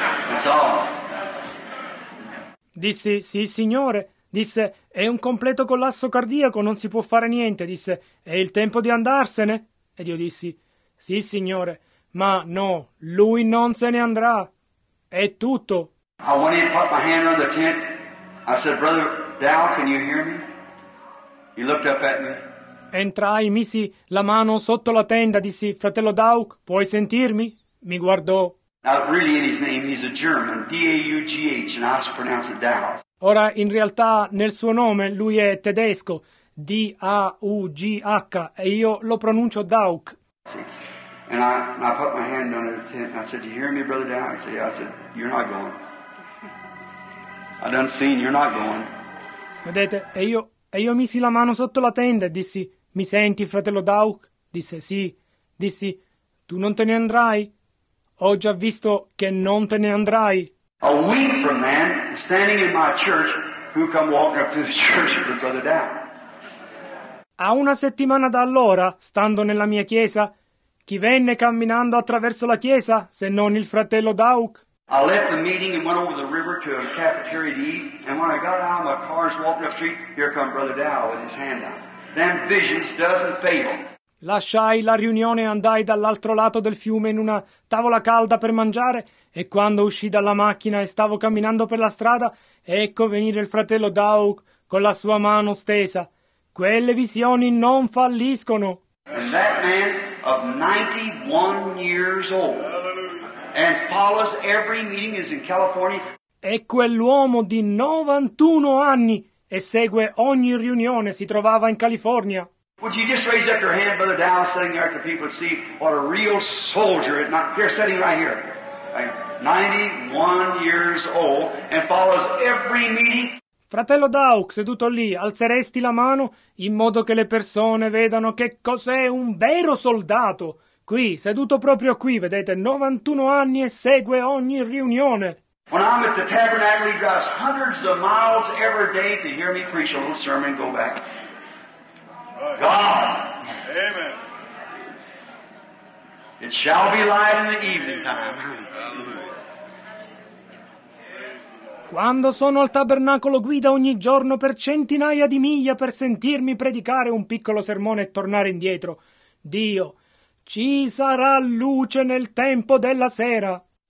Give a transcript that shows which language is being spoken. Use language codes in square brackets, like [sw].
[en] That's all. [it] Disse, sì, signore, disse, è un completo collasso cardiaco, non si può fare niente, disse, è il tempo di andarsene, ed io dissi, sì, signore, ma no, lui non se ne andrà. È tutto. [en] I went in, put my hand under the tent. I said, Brother Dow, can you hear me? He looked up at me. [it] Entrai, misi la mano sotto la tenda, dissi, fratello Dow, puoi sentirmi? Mi guardò. [en] Not really in his name, he's a German, D-A-U-G-H, and I pronounce it Dow. [it] Ora, in realtà, nel suo nome, lui è tedesco, D-A-U-G-H, e io lo pronuncio Dow. [en] And I put my hand under the tent and I said, do you hear me, Brother Dow? I said, you're not going. I done seen you're not going. [it] Vedete, e io misi la mano sotto la tenda e dissi, mi senti, fratello Dauk? Disse, sì. Dissi, tu non te ne andrai? Ho già visto che non te ne andrai. [en] A week from then, standing in my church, who come walking up to the church with Brother Dauk. [it] A una settimana da allora, stando nella mia chiesa, chi venne camminando attraverso la chiesa, se non il fratello Dauk? [en] I left the meeting and went over the river to a cafeteria to eat, and when I got out of my car and walked up the street, here come Brother Dow with his hand out. Then visions doesn't fail. [it] Lasciai la riunione e andai dall'altro lato del fiume in una tavola calda per mangiare, e quando uscii dalla macchina e stavo camminando per la strada, ecco venire il fratello Dauk con la sua mano stesa. Quelle visioni non falliscono. [en] And that man of 91 years old. And follows every meeting is in California. [it] E quell'uomo di 91 anni e segue ogni riunione si trovava in California. [en] Would you just raise up your hand, Brother Dow, sitting there at the people see what a real soldier, not here, sitting right here, 91 years old, and follows every meeting. [it] Fratello Dauk, seduto lì, alzeresti la mano in modo che le persone vedano che cos'è un vero soldato. Qui, seduto proprio qui, vedete, 91 anni e segue ogni riunione. [en] When I'm at the tabernacle, he drives hundreds of miles every day to hear me preach a little sermon and go back. God! Amen. It shall be light in the evening time. [it] Quando sono al tabernacolo guida ogni giorno per centinaia di miglia per sentirmi predicare un piccolo sermone e tornare indietro. Dio, ci sarà luce nel tempo della sera.